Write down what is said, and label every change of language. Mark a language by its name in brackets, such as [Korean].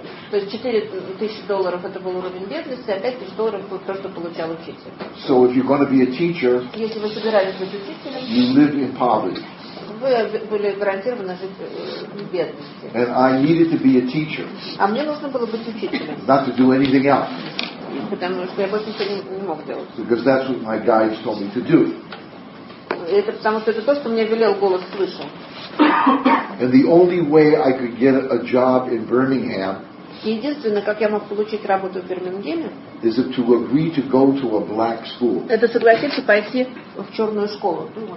[Russian] То есть $4,000 это был уровень бедности, а $5,000 было то, что получал учитель. [English] So if you're going to be a teacher, [Russian] если вы собирались быть учителем, [English] you live in poverty. [Russian] Вы были гарантированы жить в бедности. [English] And I needed to be a teacher. [Russian] А мне нужно было быть учителем. [English] Not to do anything else. [Russian] Потому что я больше ничего не мог делать. [English] Because that's what my guides told me to do. [Russian] Это потому что это то, что мне велел голос свыше. [English] And the only way I could get a job in Birmingham. [Russian] Единственное, как я мог получить работу в Бирмингеме. [English] Is it to agree to go to a black school? [Russian] Это согласиться пойти в черную школу.